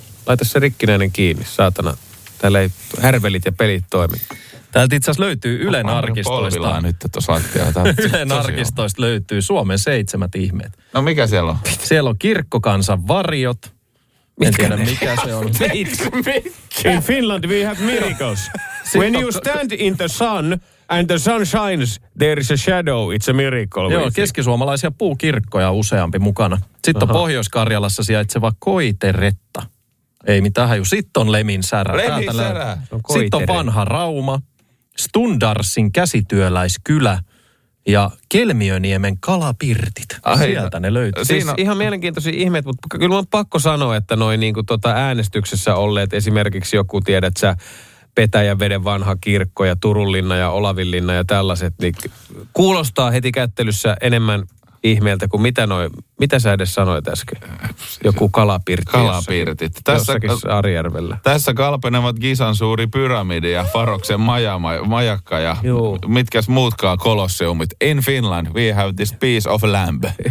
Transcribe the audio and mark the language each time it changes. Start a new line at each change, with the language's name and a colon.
Finnish: Laita se rikkinäinen kiinni, saatana. Täällä ei härvelit ja pelit toimi. Täältä itse asiassa löytyy Ylen arkistoista. Mä nyt, että tuossa Ylen arkistoista löytyy Suomen 7 ihmeet. No mikä siellä on? Siellä on kirkkokansan varjot. Mitkä en tiedä, mikä se on.
English: In Finland we have miracles. When you stand in the sun and the sun shines, there is a shadow, it's a miracle.
Finnish: Joo, keskisuomalaisia puukirkkoja useampi mukana. Sitten on Pohjois-Karjalassa sijaitseva koiteretta. Ei mitään haju. Sitten on lemin särä. Täältä Sitten on Vanha Rauma, Stundarsin käsityöläiskylä ja Kelmiöniemen kalapirtit. Sieltä ne löytyy. Siis ihan mielenkiintoisia ihmeet, mutta kyllä on pakko sanoa, että noin niinku tota äänestyksessä olleet esimerkiksi joku tiedät sä, Petäjänveden vanha kirkko ja Turunlinna ja Olavinlinna ja tällaiset, niin kuulostaa heti kättelyssä enemmän ihmeeltä kuin mitä noin, mitä sä edes sanoit äsken? Joku kalapirti. Kalapirtit. Jossakin Arjärvellä. Tässä kalpenevat Gisan suuri pyramidi ja Faroksen majakka ja mitkäs muutkaan kolosseumit.
English: In Finland we have this piece of lamb.